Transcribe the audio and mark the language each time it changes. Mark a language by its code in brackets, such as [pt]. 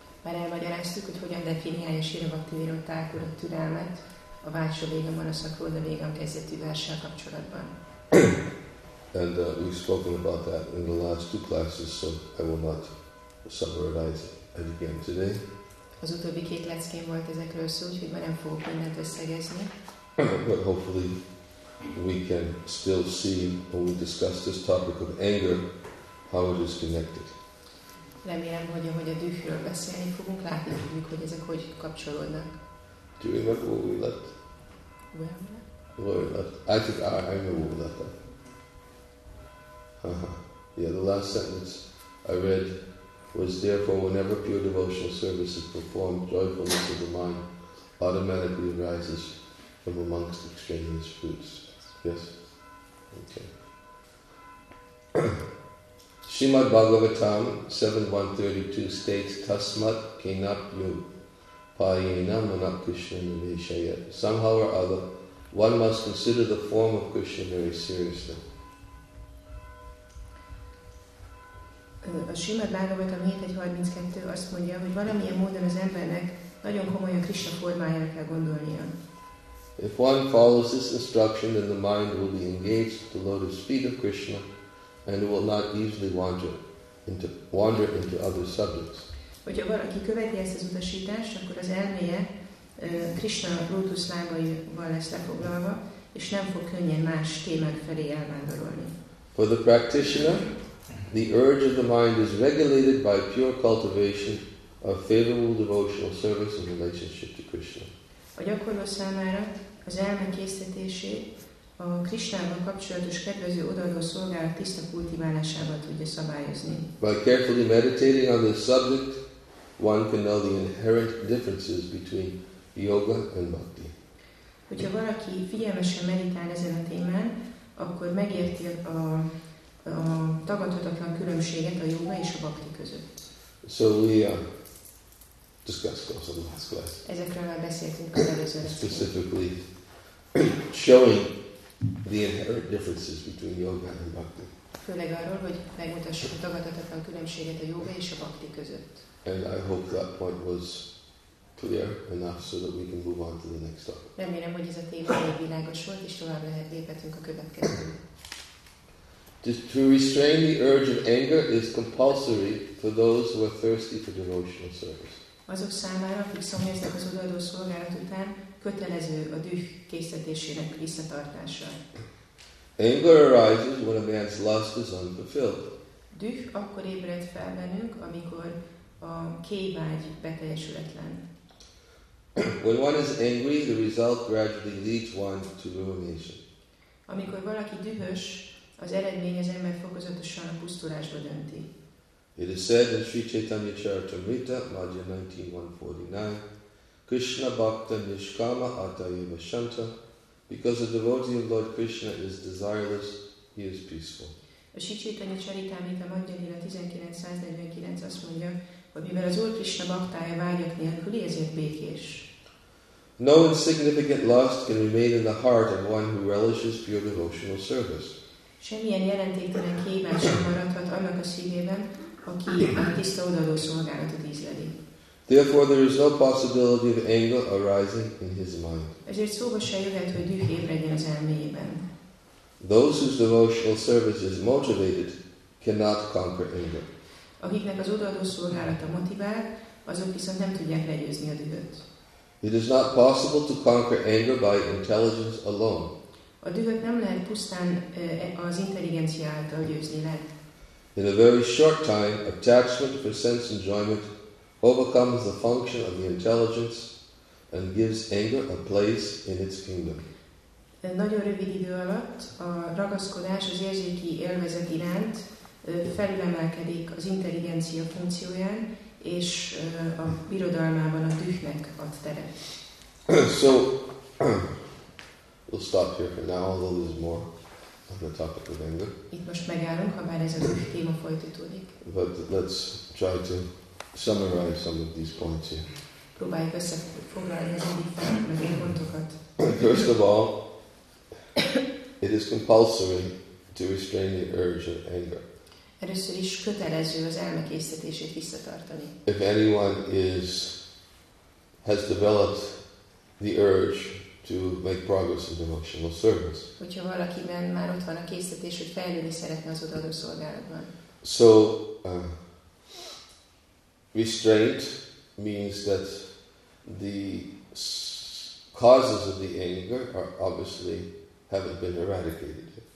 [hu] Már elmagyaráztuk, hogy hogyan definiálja Srila Bhaktivinoda Thakur a türelmet a Vachyavegam Manasakrodhavegam kezdetű verssel kapcsolatban. [en] And we've spoken about that in the last two classes, so I will not summarize it again today. [hu] Az utóbbi két leckén volt ezekről szó, úgyhogy már nem fogok mindent összegezni. [en] But hopefully we can still see when we discuss this topic of anger how it is connected. [hu] Remélem, hogy a dühről beszélni fogunk, látni fogjuk, hogy ezek hogy kapcsolódnak. [en] Do you remember what we left? Where we left? I remember what we left. The last sentence I read was, therefore, whenever pure devotional service is performed, joyfulness of the mind automatically arises from amongst extraneous fruits. Yes. Okay. Srimad Bhagavatam 7.132 states [sa] Tasmat Kenap Yum Payena Manap Krishna Nivesaya. [en] Somehow or other, one must consider the form of Krishna very seriously. [hu] A Srimad Bhagavatam 7.132 azt mondja, hogy valamilyen módon az embernek nagyon komolyan Krishna formájára kell gondolnia. [en] If one follows this instruction, then the mind will be engaged at the lotus feet of Krishna and it will not easily wander into other subjects. [hu] Hogyha valaki követi ezt az utasítást, akkor az elméje Krishna lotus lábaival lesz lefoglalva, és nem fog könnyen más témák felé elvándorolni. [en] For the practitioner, the urge of the mind is regulated by pure cultivation of favorable devotional service in relationship to Krishna. [hu] A gyakorló számára az elme késztetésé a Krisnával kapcsolatos kedvező odaadó szolgálat tiszta kultiválásával tudja szabályozni. [en] By carefully meditating on this subject, one can know the inherent differences between yoga and bhakti. [hu] Hogyha valaki figyelmesen meditál ezen a témán, akkor megérti a tagadhatatlan különbséget a yoga és a bhakti között. [en] So we discussed also in the last class. [hu] Ezekről már beszéltünk az előző. [en] Specifically showing the inherent differences between yoga and bhakti. [hu] Főleg arról, hogy megmutassuk a tagadhatatlan különbséget a yoga és a bhakti között. [en] And I hope that point was clear enough so that we can move on to the next topic. [hu] Remélem, hogy ez a téma elég világos volt, és tovább léphetünk a következő. [en] To restrain the urge of anger is compulsory for those who are thirsty for devotional service. [hu] Azok számára, akik szomjaznak az odaadó szolgálat után, kötelező a düh késztetésének visszatartása. [en] Anger arises when a man's lust is unfulfilled. [hu] Düh akkor ébred fel bennünk, amikor a kéjvágy beteljesületlen. [en] When one is angry, the result gradually leads one to ruination. [hu] Amikor valaki dühös, az eredmény az ember fokozatosan a pusztulásba dönti. [en] It is said in Sri Chaitanya Charitamrita, Madhya 19.149, [sa] Krishna Bhakta Nishkama Atayeva Shanta, [en] because the devotee of Lord Krishna is desireless, he is peaceful. [hu] A Sri Chaitanya Charitamrita Madhya 19.149 azt mondja, hogy mivel az Úr Krishna Bhaktája vágyak nélküli, ezért békés. [en] No insignificant lust can remain in the heart of one who relishes pure devotional service. [hu] Semmilyen jelentéktelen kíván sem maradhat annak a szívében, aki a tiszta odaadó szolgálatot ízleli. [en] Therefore there is no possibility of anger arising in his mind. [hu] Ezért szóba se jöhet, hogy düh ébredjen az elméjében. [en] Those whose devotional service is motivated cannot conquer anger. [hu] Akiknek az odaadó szolgálata motivál, azok viszont nem tudják legyőzni a dühöt. [en] It is not possible to conquer anger by intelligence alone. [hu] A dühöt nem lehet pusztán az intelligencia által győzni le. [en] In a very short time, attachment for sense enjoyment overcomes the function of the intelligence and gives anger a place in its kingdom. [hu] Nagyon rövid idő alatt a ragaszkodás az érzéki élvezet iránt felülemelkedik az intelligencia funkcióján, és a birodalmában a dühnek ad teret. [en] So, we'll stop here for now, although there's more on the topic of anger. [hu] Itt most megállunk, ha bár ez a téma folytatódik. [en] But let's try to summarize some of these points here. [hu] Próbáljuk összefoglalni az egyik felmegyen pontokat. [en] First of all, it is compulsory to restrain the urge of anger. [hu] Először is kötelező az elmekésztetését visszatartani. [en] If anyone has developed the urge to make progress in devotional service. [hu] Hogyha valakiben már ott van a késztetés, hogy fejlődni szeretne az odaadó szolgálatban. [en] So, restraint means that the causes of the anger are obviously haven't been eradicated.